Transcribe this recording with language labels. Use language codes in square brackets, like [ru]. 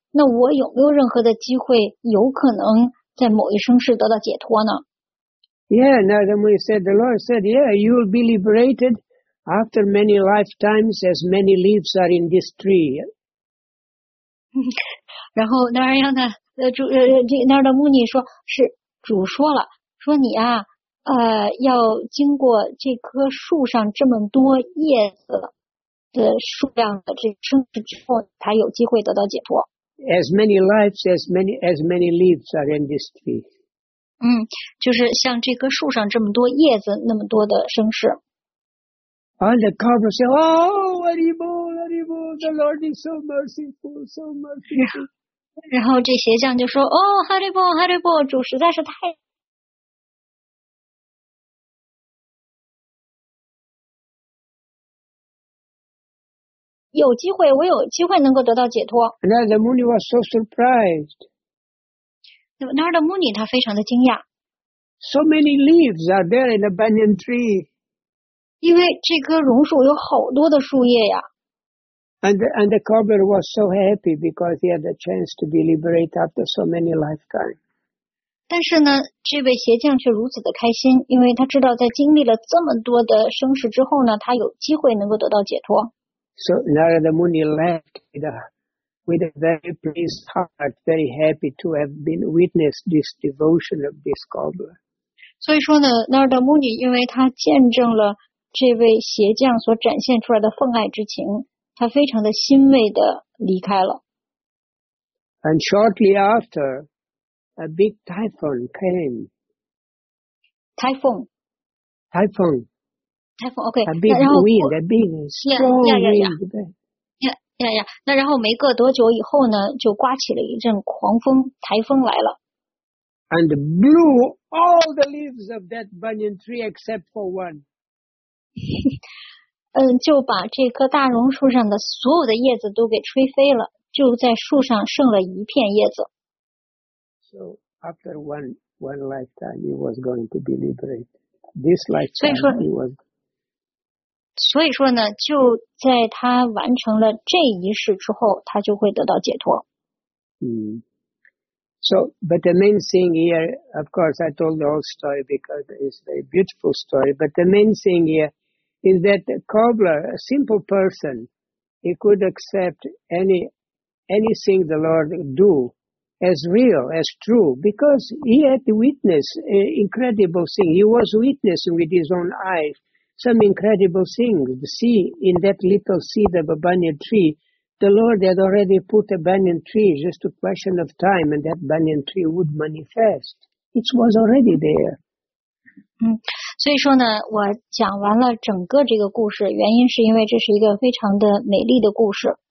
[zh] 那我有没有任何的机会有可能在某一生世得到解脱呢？ [en] Yeah, now then we said, the Lord said, yeah, you will be liberated after many lifetimes as many leaves are in this tree. [zh] 然后那样的那儿的穆尼说，是主说了，说你啊，要经过这棵树上这么多叶子的数量的这生死之后，才有机会得到解脱。 [en] As many lives, as many leaves are in this tree. [zh] 就是像这棵树上这么多叶子那么多的生死。 [en] And the cobbler said, "Oh, Haribol, the Lord is so merciful, so merciful." [zh] 然后这鞋匠就说，哦，哈利波，哈利波，主实在是太。有机会，我有机会能够得到解脱。 [en] Narada Muni was so surprised. [zh] Narada Muni 他非常的惊讶。 [en] So many leaves are there in the banyan tree. [zh] 因为这棵榕树有好多的树叶呀。 [en] And the cobbler was so happy because he had the chance to be liberated after so many lifetimes. [zh] 但是呢，这位鞋匠却如此的开心，因为他知道在经历了这么多的生死之后呢，他有机会能够得到解脱。 [en] So Narada Muni left with a very pleased heart, very happy to have been witnessed this devotion of this cobbler. [zh] 所以说呢 ，Narada Muni 因为他见证了这位鞋匠所展现出来的奉爱之情。他非常的欣慰的离开了。 [en] And shortly after, a big typhoon came. Typhoon. Typhoon. Okay. A big wind. A big strong wind. Yeah. [zh] 那然后没过多久以后呢，就刮起了一阵狂风，台风来了。 [en] And blew all the leaves of that banyan tree except for one. [zh] 就把这棵大榕树上的所有的叶子都给吹飞了，就在树上剩了一片叶子。 [en] So after one lifetime, he was going to be liberated. This lifetime, he was. [zh] 所以说呢，就在他完成了这一世之后，他就会得到解脱。 [en] So, but the main thing here, of course, I told the whole story because it's a beautiful story. But the main thing here. Is that a cobbler, a simple person, he could accept anything the Lord do as real, as true, because he had witnessed an incredible thing. He was witnessing with his own eyes some incredible things. See, in that little seed of a banyan tree, the Lord had already put a banyan tree, just a question of time, and that banyan tree would manifest. It was already there. [zh] 所以说呢，我讲完了整个这个故事，原因是因为这是一个非常的美丽的故事。